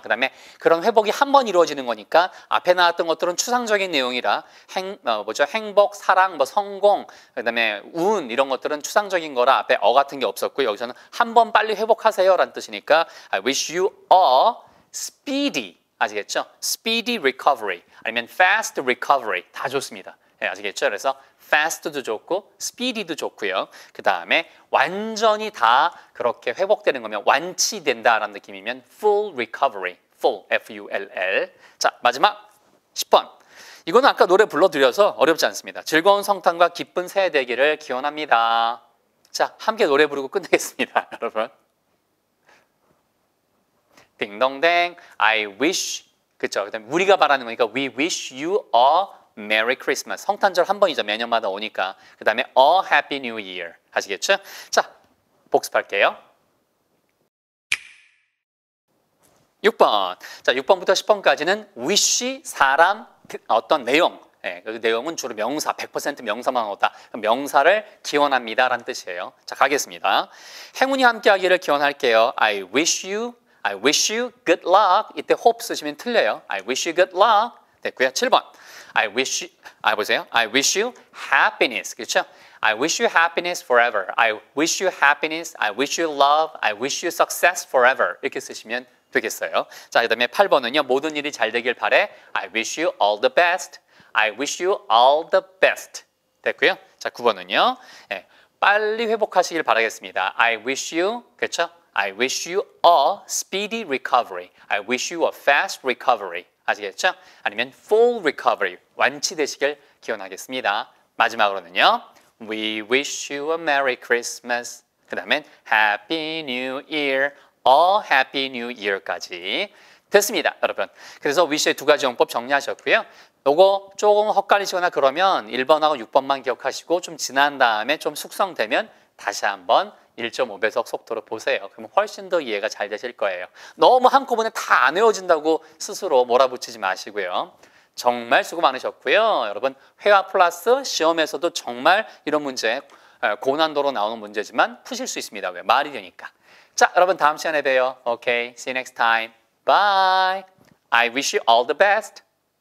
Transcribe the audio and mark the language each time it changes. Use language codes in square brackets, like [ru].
[ko] 그 다음에 그런 회복이 한번 이루어지는 거니까 앞에 나왔던 것들은 추상적인 내용이라 행복, 사랑, 뭐 성공, 그 다음에 운 이런 것들은 추상적인 거라 앞에 어 같은 게 없었고 여기서는 한번 빨리 회복하세요 라는 뜻이니까 [en] I wish you a speedy. [ko] 아시겠죠? [en] Speedy recovery [ko] 아니면 [en] fast recovery 다 좋습니다. [ko] 네, 아시겠죠? 그래서 fast도 좋고 speedy도 좋고요. 그 다음에 완전히 다 그렇게 회복되는 거면 완치된다라는 느낌이면 full recovery, full, F-U-L-L. 자, 마지막 10번. 이거는 아까 노래 불러드려서 어렵지 않습니다. 즐거운 성탄과 기쁜 새해 되기를 기원합니다. 자, 함께 노래 부르고 끝내겠습니다, 여러분. 딩동댕, I wish, 그쵸? 그 다음에 우리가 바라는 거니까 [en] we wish you a Merry Christmas. [ko] 성탄절 한 번이죠. 매년마다 오니까. [en] 그 다음에 A Happy New Year. [ko] 아시겠죠? 자, 복습할게요. 6번. 자, 6번부터 10번까지는 wish, 사람, 어떤 내용. 네, 그 내용은 주로 명사, 100% 명사만 오다. 명사를 기원합니다. 라는 뜻이에요. 자, 가겠습니다. 행운이 함께 하기를 기원할게요. [en] I wish you good luck. [ko] 이때 hope 쓰시면 틀려요. [en] I wish you good luck. [ko] 됐고요. 7번. [en] I wish you, 아, 보세요. I wish you happiness. 그렇죠? I wish you happiness forever. I wish you happiness. I wish you love. I wish you success forever. [ko] 이렇게 쓰시면 되겠어요. 자, 그 다음에 8번은요. 모든 일이 잘 되길 바래. [en] I wish you all the best. I wish you all the best. [ko] 됐고요. 자, 9번은요. 네, 빨리 회복하시길 바라겠습니다. [en] I wish you, [ko] 그렇죠? [en] I wish you a speedy recovery. I wish you a fast recovery. [ko] 아시겠죠? 아니면 full recovery, 완치되시길 기원하겠습니다. [en] 마지막으로는요. We wish you a Merry Christmas. [ko] 그 다음에 [en] Happy New Year, a Happy New Year까지 됐습니다, 여러분. [ko] 그래서 wish의 두 가지 용법 정리하셨고요. 이거 조금 헷갈리시거나 그러면 1번하고 6번만 기억하시고 좀 지난 다음에 좀 숙성되면 다시 한번 1.5배속 속도로 보세요. 그럼 훨씬 더 이해가 잘 되실 거예요. 너무 한꺼번에 다 안 외워진다고 스스로 몰아붙이지 마시고요. 정말 수고 많으셨고요. 여러분, 회화 플러스 시험에서도 정말 이런 문제, 고난도로 나오는 문제지만 푸실 수 있습니다. 왜? 말이 되니까. 자, 여러분 다음 시간에 봬요. [en] Okay, see you next time. Bye. I wish you all the best.